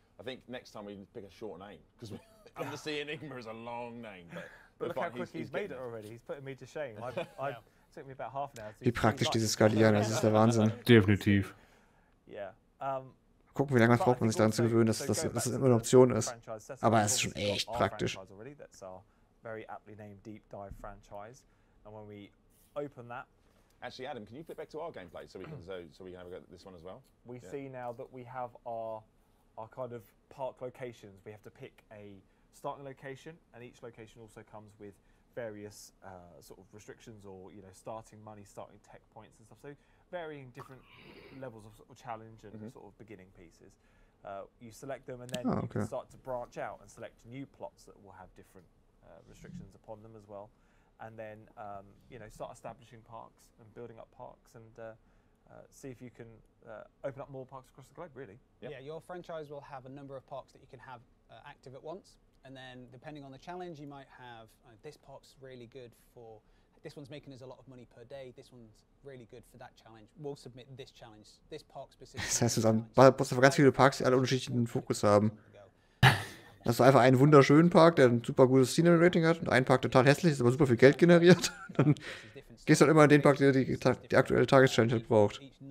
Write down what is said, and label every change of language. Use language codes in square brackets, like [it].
[en] I think next time we pick a short name, because Under Sea and Enigma is a long name, but look how quick he's made it already. He's putting me to shame. It took me about half an hour. [de] Wie praktisch dieses Skalieren, das ist der Wahnsinn. Definitiv. [en] Yeah. [de] Gucken, wie lange braucht man sich daran zu gewöhnen, dass es immer eine Option ist. Aber es ist schon echt praktisch. [en] That's our very aptly named Deep Dive franchise, and when we open that. Actually, Adam, can you flip back to our gameplay so we can have a go at this one as well? We see now that we have our kind of park locations. We have to pick a starting location, and each location also comes with various sort of restrictions, or you know, starting money, starting tech points and stuff. So varying different levels of sort of challenge and sort of beginning pieces. You select them, and then you can start to branch out and select new plots that will have different restrictions upon them as well. And then you know, start establishing parks and building up parks and see if you can open up more parks across the globe, really. Yep. Yeah, your franchise will have a number of parks that you can have active at once. And then, depending on the challenge, you might have this park's really good for, this one's making us a lot of money per day, this one's really good for that challenge. We'll submit this challenge, this park specifically. [de] Das heißt, du brauchst einfach ganz viele Parks, die alle unterschiedlichen Fokus haben. Hast du einfach einen wunderschönen Park, der ein super gutes Scenery Rating hat, und einen Park total hässlich, ist aber super viel Geld generiert. Dann gehst du halt immer in den Park, der die aktuelle Tageschallenge braucht.